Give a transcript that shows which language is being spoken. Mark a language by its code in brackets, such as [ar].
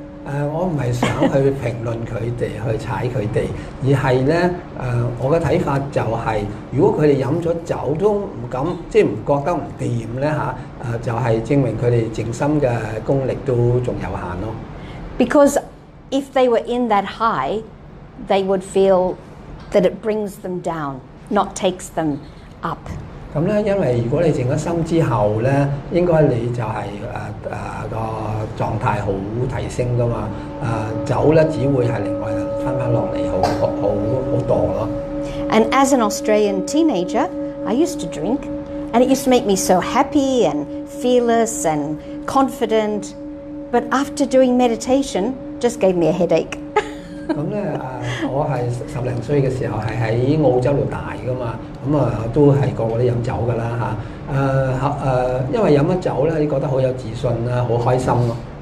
[yue] 我唔係想去評論佢哋，去踩佢哋，而係咧，我嘅睇法就係，如果佢哋飲咗酒都唔敢，即係唔覺得唔掂咧嚇，就係證明佢哋靜心嘅功力都仲有限咯。 [en] Because if they were in that high, they would feel that it brings them down. Not takes them up. [yue] 咁咧，因為如果你靜咗心之後咧，應該你就係個狀態好提升噶嘛。酒咧只會係另外翻翻落嚟，好墮咯。 [en] And as an Australian teenager, I used to drink, and it used to make me so happy and fearless and confident. But after doing meditation, just gave me a headache. [yue] 咁咧我係十零歲嘅時候係喺澳洲度大噶嘛，咁都係個個都飲酒噶啦嚇，因為飲咗酒咧，你覺得好有自信啦，好開心咯。